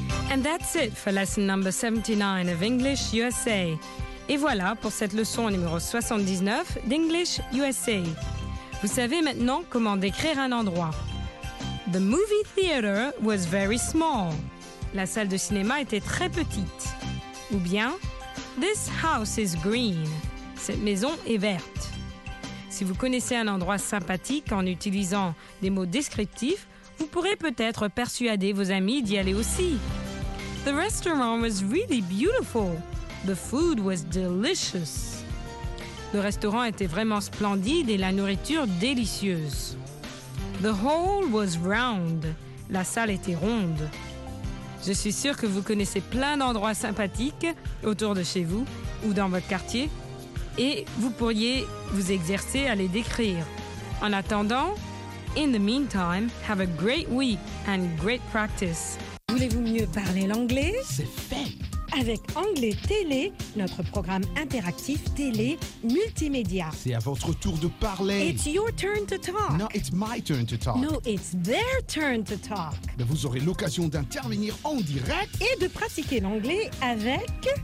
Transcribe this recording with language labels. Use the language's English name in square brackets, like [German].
[English] And that's it for lesson number 79 of English USA. [French] Et voilà pour cette leçon numéro 79 d'English USA. Vous savez maintenant comment décrire un endroit. [English] The movie theater was very small. [French] La salle de cinéma était très petite. Ou bien, [English] this house is green. [French] Cette maison est verte. Si vous connaissez un endroit sympathique en utilisant des mots descriptifs, vous pourrez peut-être persuader vos amis d'y aller aussi. [English] The restaurant was really beautiful. The food was delicious. [French] Le restaurant était vraiment splendide et la nourriture délicieuse. [English] The hall was round. [French] La salle était ronde. Je suis sûre que vous connaissez plein d'endroits sympathiques autour de chez vous ou dans votre quartier et vous pourriez vous exercer à les décrire. En attendant, [English] in the meantime, have a great week and great practice. [French] Voulez-vous mieux parler l'anglais? C'est fait! Avec Anglais Télé, notre programme interactif télé multimédia. C'est à votre tour de parler. [English] It's your turn to talk. No, it's my turn to talk. No, it's their turn to talk. [French] Mais vous aurez l'occasion d'intervenir en direct. Et de pratiquer l'anglais avec...